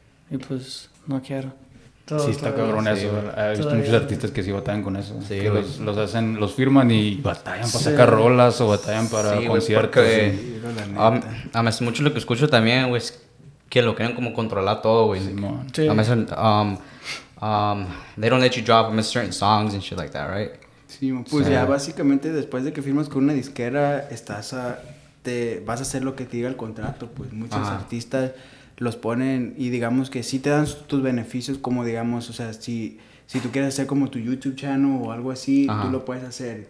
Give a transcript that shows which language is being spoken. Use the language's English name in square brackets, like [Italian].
[Spanish] Y pues no quiero. Todo, sí, está cabrón eso. He visto muchos artistas que sí batallan con eso. Sí, que los hacen, los firman y batallan para sacar rolas o batallan para conciertos. Sí, a mí mucho lo que escucho también, güey, es que lo quieren como controlar todo, güey. Sí. A mí [English] they don't let you drop them certain songs and shit like that, right? [Spanish] Sí, pues ya básicamente después de que firmas con una disquera, vas a hacer lo que te diga el contrato, pues muchos artistas los ponen y digamos que sí te dan tus beneficios, como digamos, o sea, si, si tú quieres hacer como tu YouTube channel o algo así, ajá, tú lo puedes hacer.